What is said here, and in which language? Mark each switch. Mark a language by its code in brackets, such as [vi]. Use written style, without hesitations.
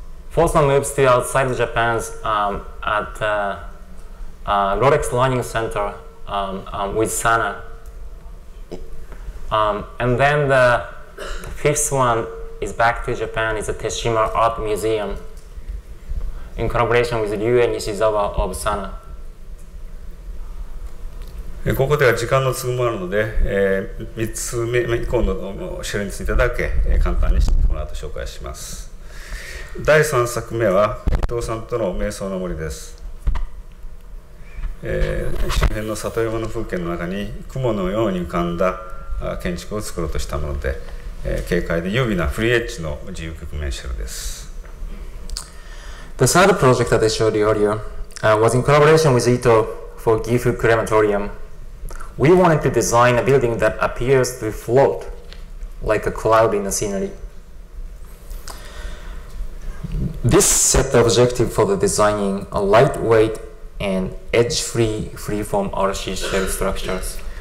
[en] Fourth one moves to outside of Japan at Rolex Learning Center with SANAA. And then the fifth one is back to Japan, is the Teshima Art Museum in collaboration with Ryue Nishizawa of SANAA. [ja] ここでは時間の都合もあるので、3つ目以降の種類についてだけ簡単にこの後紹介します。第3作目は伊藤さんとの瞑想の森です。周辺の里山の風景の中に雲のように浮かんだ建築を作ろうとしたもので、軽快で優美なフリーエッジの自由曲面シェルです。 [en] The third project that I showed you earlier was in collaboration with Ito for Gifu Crematorium. We wanted to design a building that appears to float like a cloud in the scenery. This set the objective for the designing a lightweight and edge-free freeform RC shell structures.